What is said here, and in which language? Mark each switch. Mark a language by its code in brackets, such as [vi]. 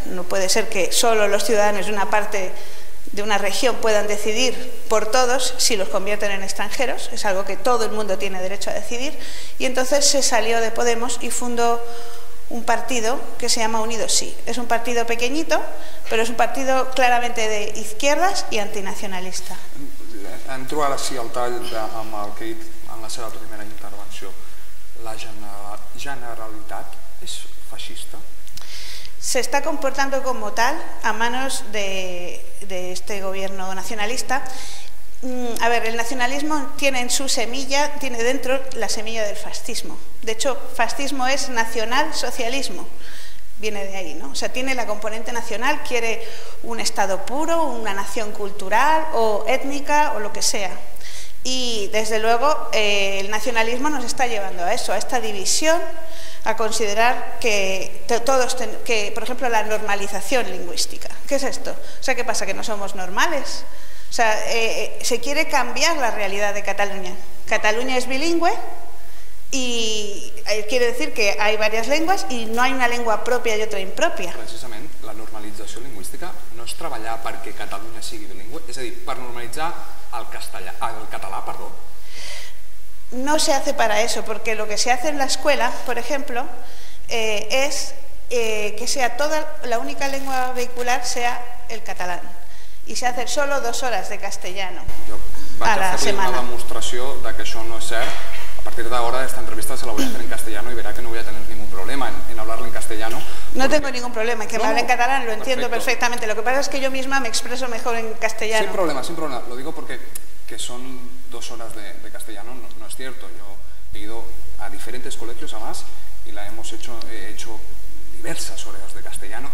[es] No puede ser que solo los ciudadanos de una parte de una región puedan decidir por todos si los convierten en extranjeros. Es algo que todo el mundo tiene derecho a decidir. Y entonces se salió de Podemos y fundó un partido que se llama Unidos Sí. Es un partido pequeñito, pero es un partido claramente de izquierdas y antinacionalista. [ca] Entro ara sí al tall amb el que he dit en la seva primera intervenció. La Generalitat és feixista? [es] Se está comportando como tal a manos de este gobierno nacionalista. A ver, el nacionalismo tiene en su semilla, tiene dentro la semilla del fascismo. De hecho, fascismo es nacional socialismo, viene de ahí, ¿no? O sea, tiene la componente nacional, quiere un Estado puro, una nación cultural o étnica o lo que sea. Y desde luego el nacionalismo nos está llevando a eso, a esta división, a considerar que todos, que por ejemplo la normalización lingüística. ¿Qué es esto? O sea, ¿qué pasa? ¿Que no somos normales? O sea, se quiere cambiar la realidad de Cataluña. Cataluña es bilingüe y quiere decir que hay varias lenguas y no hay una lengua propia y otra impropia. [ca] Precisament, la normalització lingüística no és treballar perquè Catalunya sigui bilingüe, és a dir, per normalitzar el català. [es] No se hace para eso, porque lo que se hace en la escuela, por ejemplo, es que sea toda la única lengua vehicular sea el catalán. I se hacen solo 2 hores de castellano [ca] a la setmana. Una demostració de que això no és cert. A partir d'ara, aquesta entrevista [es] se la voy a hacer en castellano y verá que no voy a tener ningún problema en hablarle en castellano. No tengo ningún problema, que me hable en catalán, lo entiendo perfectamente. Lo que pasa es que yo misma me expreso mejor en castellano. Sin problema. Lo digo porque que son 2 horas de castellano no es cierto. Yo he ido a diferentes colegios, además, y la hemos hecho, he hecho diversas horas de castellano.